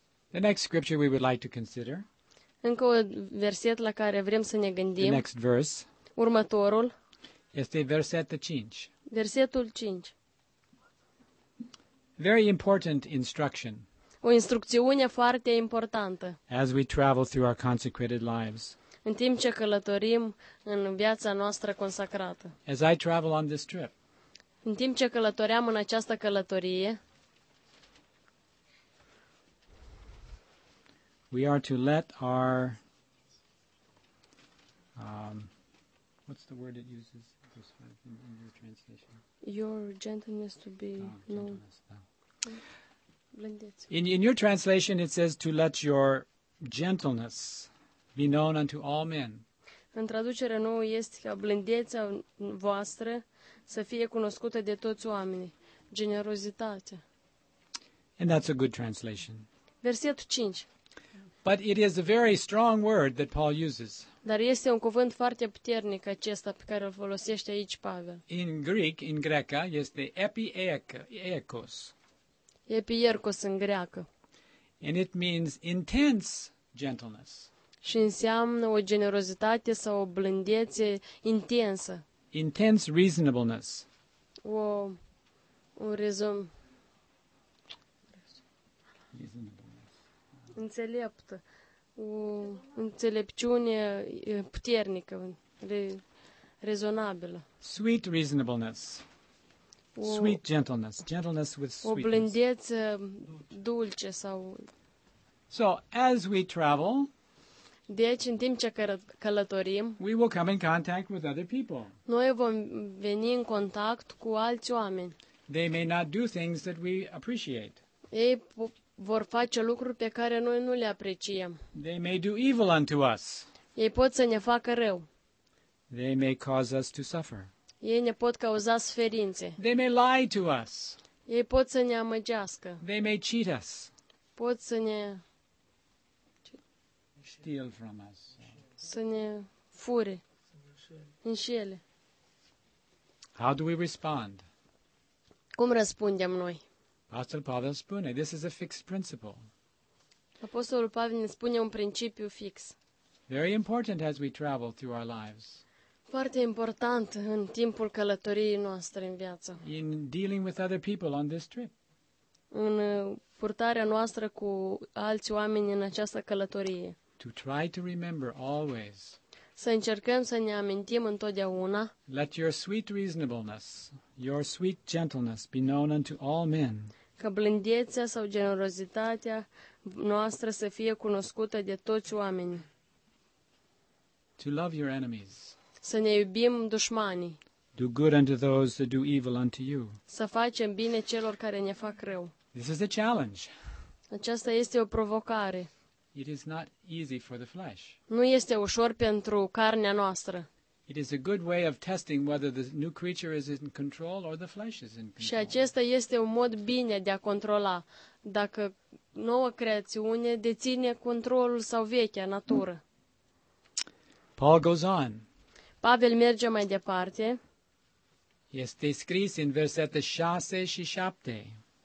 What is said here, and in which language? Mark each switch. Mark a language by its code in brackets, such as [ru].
[en] The next scripture we would like to consider. [ro] Încă un verset la care vrem să ne gândim. [en] The next verse. [ro] Următorul. Este versetul 5. Versetul 5. [en] Very important instruction. [ro] O instrucțiune foarte importantă. [en] As we travel through our consecrated lives. [ro] În timp ce călătorim în viața noastră consacrată. [en] As I travel on this trip. [ro] În timp ce călătoream în această călătorie. [en] We are to let our what's the word it uses in your translation? Your gentleness to be known. In your translation it says to let your gentleness be known unto all men. [ro] În traducerea nouă este ca blândețea voastră să fie cunoscută de toți oamenii. Generozitatea. [en] And that's a good translation. [ro] Versetul 5. [en] But it is a very strong word that Paul uses. [ro] Dar este un cuvânt foarte puternic acesta pe care îl folosește aici Pavel. [en] In Greek, [ro] in greca, este epieikos. Epieikos în greacă. [en] And it means intense gentleness. [ro] Și înseamnă o generozitate sau o blândețe intensă. [en] Intense reasonableness. [ro] O rezum. [en] Reasonableness. [ro] înțeleaptă, o înțelepciune puternică, rezonabilă. [en] Sweet reasonableness. Sweet gentleness. Gentleness with sweetness. [ro] O blândețe dulce sau... [en] So, as we travel, [ro] deci, în timp ce călătorim, [en] we will come in contact with other people. [ro] Noi vom veni în contact cu alți oameni. [en] They may not do things that we appreciate. [ro] Ei vor face lucruri pe care noi nu le apreciem. [en] They may do evil unto us. [ro] Ei pot să ne facă rău. [en] They may cause us to suffer. [ro] Ei ne pot cauza suferințe. [en] They may lie to us. [ro] Ei pot să ne amăgească. [en] They may cheat us. [ro] Pot să ne... [en] steal from us. [ro] Să ne fure. Înșele. [en] How do we respond? [ro] Cum răspundem noi? Apostolul Pavel spune, [en] this is a fixed principle. [ro] Apostolul Pavel ne spune un principiu fix. [en] Very important as we travel through our lives. [ro] Foarte important în timpul călătoriei noastre în viață. [en] In dealing with other people on this trip. [ro] În purtarea noastră cu alți oameni în această călătorie. [en] To try to remember always. [ro] Să încercăm să ne amintim întotdeauna. [en] Let your sweet reasonableness, your sweet gentleness be known unto all men. [ro] Că blândețea sau generozitatea noastră să fie cunoscută de toți oamenii. [en] To love your enemies. [ro] Să ne iubim dușmanii. [en] Do good unto those that do evil unto you. [ro] Să facem bine celor care ne fac rău. [en] This is a challenge. [ro] Aceasta este o provocare. [en] It is not easy for the flesh. [ro] Nu este ușor pentru carnea noastră. [en] It is a good way of testing whether the new creature is in control or the flesh is in control. [ro] Și acesta este un mod bine de a controla dacă noua creațiune deține controlul sau vechea natură. [en] Paul goes on. [ro] Pavel merge mai departe. Este scris în versete 6 și 7.